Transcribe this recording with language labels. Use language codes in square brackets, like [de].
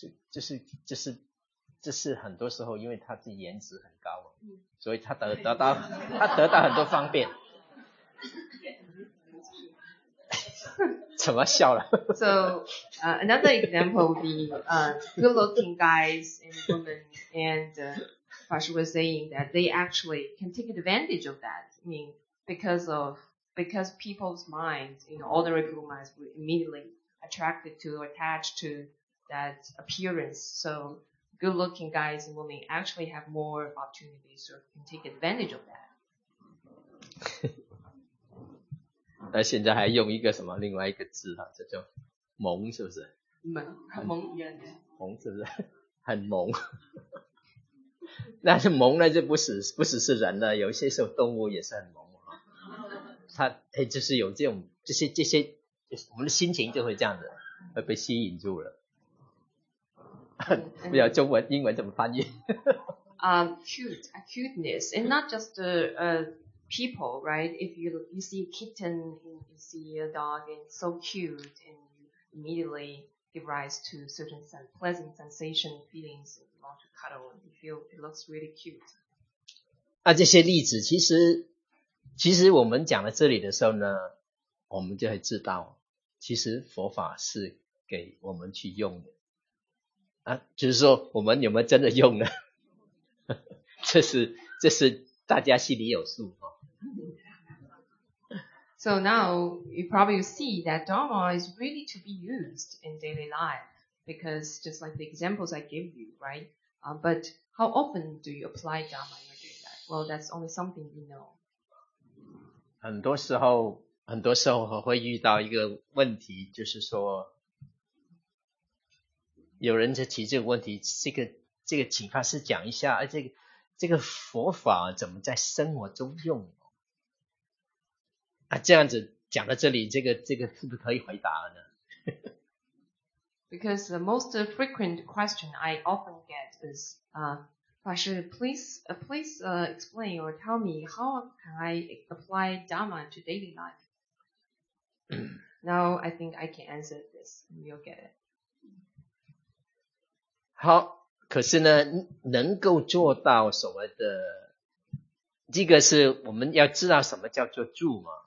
[zh] 就是很多时候因为他的颜值很高，所以他得到很多方便。怎么笑了？ [en] So another example would be good looking guys and women, and Fashi was saying that they actually can take advantage of that. I mean, because people's minds, you know, ordinary people's minds were immediately attracted to or attached to. That appearance. So, good looking guys and women actually have more opportunities or can take advantage of that. [zh] 那现在还用一个什么另外一个字啊，叫做萌，是不是？萌，很萌人。萌是不是？很萌。那是萌呢，就不只是人了，有些时候动物也是很萌啊。它就是有这种这些，就是我们的心情就会这样子，会被吸引住了。不要中文英文怎么翻译 [en] acuteness and not just the people, right? If you see a kitten, you see a dog and it's so cute and you immediately give rise to certain pleasant sensation feelings, you want to cuddle, you feel it looks really cute. [zh] 这些例子其实我们讲到这里的时候呢，我们就会知道其实佛法是给我们去用的啊，就是说我们有没有真的用呢？这是大家心里有数哦。 [en] So now you probably see that Dharma is really to be used in daily life, because just like the examples I give you, right? But how often do you apply Dharma when you do that? Well, that's only something you know. [zh] 很多时候我会遇到一个问题，就是说有人在提这个问题，这个启发是讲一下，这个佛法怎么在生活中用？啊，这样子讲到这里，这个是不是可以回答呢？ [en] Because the most frequent question I often get is, please explain or tell me how can I apply Dharma to daily life? Now I think I can answer this, and you'll get it. [zh] 好，可是呢，能够做到所谓的，这个是我们要知道什么叫做住嘛？